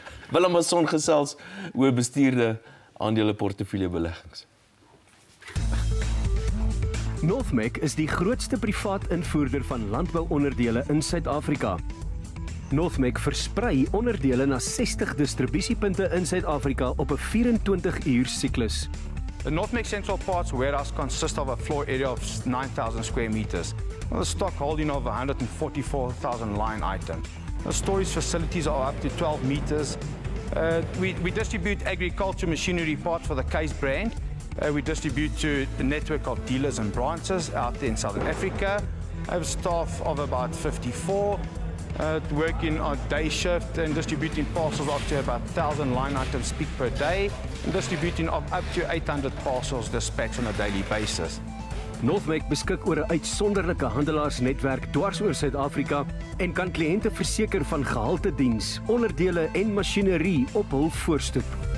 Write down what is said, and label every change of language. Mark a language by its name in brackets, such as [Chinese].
[Afrikaans] Willem Mason gesels hoe bestuurde aandele portefeulje beleggings. Northmec is die grootste privaat invoerder van landbouonderdele in Suid-Afrika. Northmec versprei onderdele na 60 distribusiepunte in Suid-Afrika op 'n 24-uur siklus. [English] The Northmec Central Parts warehouse consists of a floor area of 9,000 square meters, with a stock holding of 144,000 line items. The storage facilities are up to 12 meters. We distribute agriculture machinery parts for the Case brand. We distribute to the network of dealers and branches out there in Southern Africa. I have a staff of about 54, working on day shift and distributing parcels up to about 1,000 line items peak per day. Distributing of up to 800 parcels dispatched on a daily basis. [Afrikaans] Northmec beskik oor 'n uitsonderlike handelaarsnetwerk dwars oor Suid-Afrika en kan kliënte verseker van gehalte diens, onderdele en masjinerie op hul voorstoep.